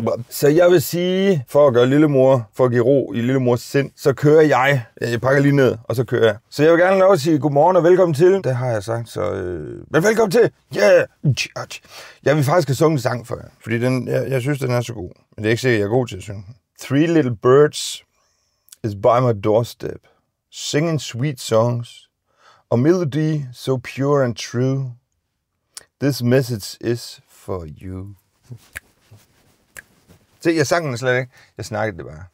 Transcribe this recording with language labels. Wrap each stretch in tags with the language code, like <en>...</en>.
<da>Så jeg vil sige, for at give ro i lillemors sind, så kører jeg. Jeg pakker lige ned, og så kører jeg. Så jeg vil gerne lov at sige godmorgen og velkommen til. Det har jeg sagt, så... Men velkommen til! Yeah! Jeg vil faktisk have sunget en sang for jer, fordi jeg synes, den er så god. Men det er ikke sikkert, jeg er god til at synge.</da> <en>Three Little Birds is by my doorstep, singing sweet songs, a melody so pure and true. This message is for you.</en> <da>Se, jeg sang den slet ikke. Jeg snakkede det bare.</da>